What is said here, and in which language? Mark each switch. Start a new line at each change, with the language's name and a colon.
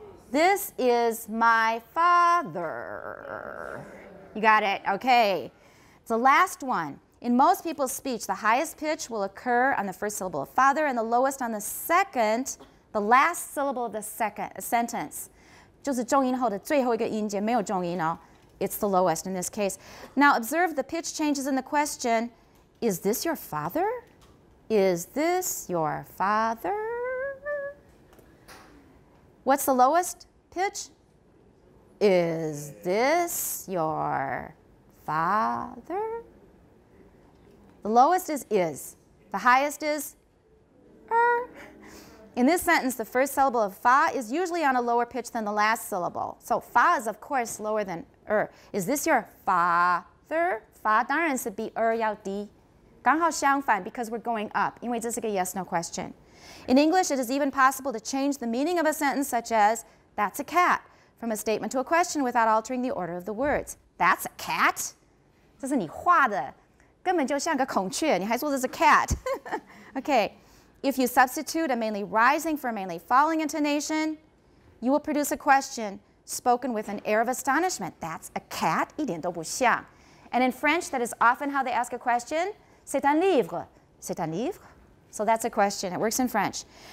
English: This is my father. You got it. Okay. The last one. In most people's speech, the highest pitch will occur on the first syllable of father and the lowest on the second, the last syllable of the second sentence.
Chinese: 就是重音后的最后一个音节，没有重音哦。
English: It's the lowest in this case. Now observe the pitch changes in the question. Is this your father? Is this your father? What's the lowest pitch? Is this your father? The lowest is. The highest is. In this sentence, the first syllable of fa is usually on a lower pitch than the last syllable. So fa is, of course, lower than er. Is this your father? Fa
Chinese: 当然是比er要低。刚好相反
English: because we're going up,
Chinese: 因为这是个 yes-no question.
English: In English, it is even possible to change the meaning of a sentence such as, that's a cat, from a statement to a question without altering the order of the words. That's a cat?
Chinese: 这是你画的，根本就像个孔雀，你还说这是 cat.
English: Okay, if you substitute a mainly rising for a mainly falling intonation, you will produce a question spoken with an air of astonishment. That's a cat?
Chinese: 一点都不像。
English: And in French, that is often how they ask a question.
French: C'est un livre. C'est un livre.
English: So that's a question. It works in French.